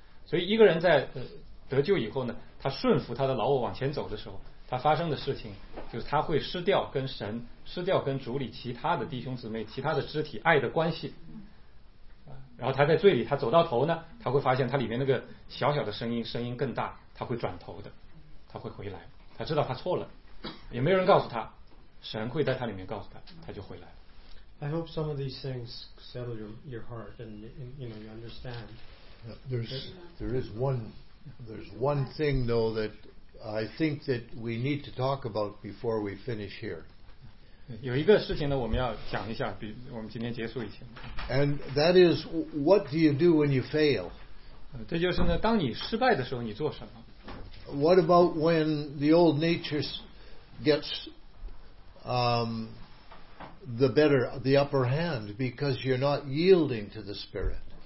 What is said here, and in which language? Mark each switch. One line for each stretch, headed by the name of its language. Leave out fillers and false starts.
Chinese: 所以一个人在得救以后呢，他顺服他的老我往前走的时候，他发生的事情就是他会失掉跟神，失掉跟主里其他的弟兄姊妹，其他的肢体爱的关系。然后他在罪里，他走到头呢，他会发现他里面那个小小的声音更大，他会转头的，他会回来，他知道他错了，也没有人告诉他，神会在他里面告诉他，他就回来了。
English: I hope some of these things settle your heart and you know you understand. There's one thing, though, that I think that we need to talk about before we finish here.
Chinese: 有一个事情呢，我们要讲一下，比我们今天结束以前。
English: And that is, what do you do when you fail?
Chinese: 这就是呢，当你失败的时候，你做什么？
English: What about when the old nature gets the better, the upper hand, because you're not yielding to the Spirit?